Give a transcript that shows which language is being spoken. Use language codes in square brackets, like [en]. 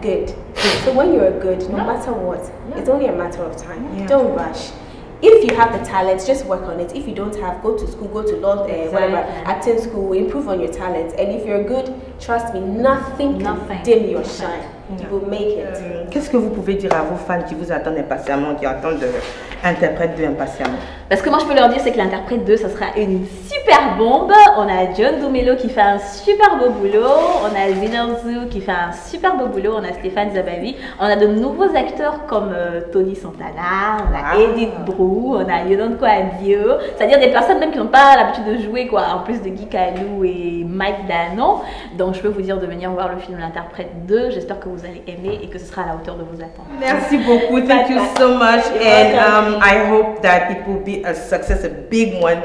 [en] Good. So when you're good, no matter what, it's only a matter of time. Yeah. Don't rush. If you have the talent, just work on it. If you don't have, go to school, go to law, acting school, improve on your talent. And if you're good, trust me, nothing can dim your shine. Yeah. You will make it. [fr] Qu'est-ce que vous pouvez dire à vos fans qui vous attendent impatiemment, qui attendent l'interprète de impatiemment? Parce que moi, je peux leur dire, c'est que l'interprète 2, ça sera une super bombe. On a John Dumelo qui fait un super beau boulot. On a Zinerzu qui fait un super beau boulot. On a Stéphane Zabavi. On a de nouveaux acteurs comme Tony Santana. On a Edith Brou. On a Yolande Kouadio. C'est-à-dire des personnes même qui n'ont pas l'habitude de jouer, quoi. En plus de Guy Kalou et Mike Dano. Donc, je peux vous dire de venir voir le film L'Interprète 2. J'espère que vous allez aimer et que ce sera à la hauteur de vos attentes. Merci beaucoup. [en] Thank you so much. And I hope that it will be a success, a big one.